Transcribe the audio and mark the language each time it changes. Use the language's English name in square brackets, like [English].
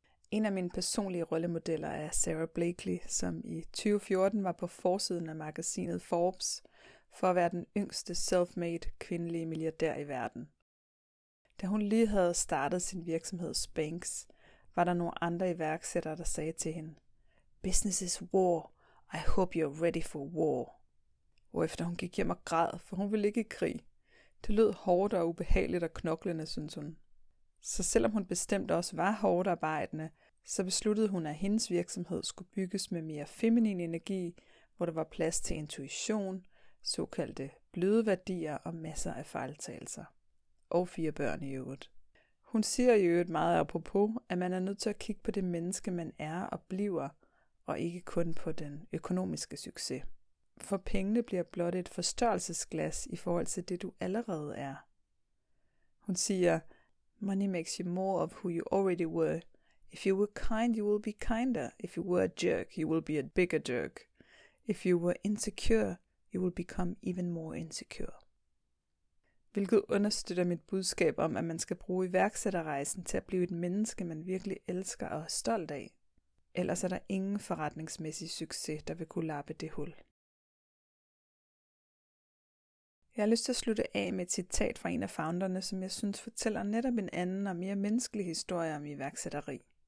[Danish] En af mine personlige rollemodeller er Sarah Blakely, som i 2014 var på forsiden af magasinet Forbes for at være den yngste self-made kvindelige milliardær i verden. Da hun lige havde startet sin virksomhed Spanx, var der nogle andre iværksættere, der sagde til hende: [English] "Business is war. I hope you're ready for war." [Danish] Hvorefter hun gik hjem og græd, for hun ville ikke i krig. Det lød hårdt og ubehageligt og knoklende, synes hun. Så selvom hun bestemt også var hårdt arbejdende, så besluttede hun, at hendes virksomhed skulle bygges med mere feminin energi, hvor der var plads til intuition, såkaldte bløde værdier og masser af fejltagelser. Og 4 børn i øvrigt. Hun siger i øvrigt meget apropos, at man er nødt til at kigge på det menneske, man er og bliver, og ikke kun på den økonomiske succes. For pengene bliver blot et forstørrelsesglas i forhold til det, du allerede er. Hun siger: [English] "Money makes you more of who you already were. If you were kind, you will be kinder. If you were a jerk, you will be a bigger jerk. If you were insecure, you will become even more insecure." [Danish] Hvilket understøtter mit budskab om, at man skal bruge iværksætterrejsen til at blive et menneske, man virkelig elsker og er stolt af. Ellers er der ingen forretningsmæssig succes, der vil kunne lappe det hul. Jeg har lyst til at slutte af med et citat fra en af founderne, som jeg synes fortæller netop en anden og mere menneskelig historie om iværksætteri.